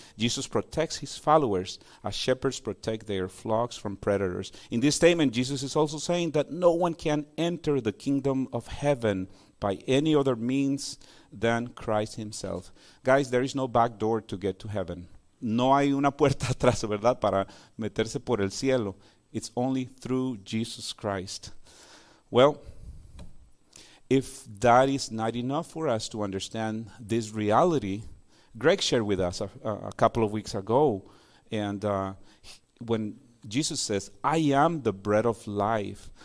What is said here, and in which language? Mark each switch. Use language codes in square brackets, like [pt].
[en] Jesus protects his followers as shepherds protect their flocks from predators. In this statement, Jesus is also saying that no one can enter the kingdom of heaven by any other means than Christ himself. Guys, there is no back door to get to heaven. [es] No hay una puerta atrás, ¿verdad?, para meterse por el cielo. [en] It's only through Jesus Christ. Well, if that is not enough for us to understand this reality, Greg shared with us a couple of weeks ago, and when Jesus says, I am the bread of life.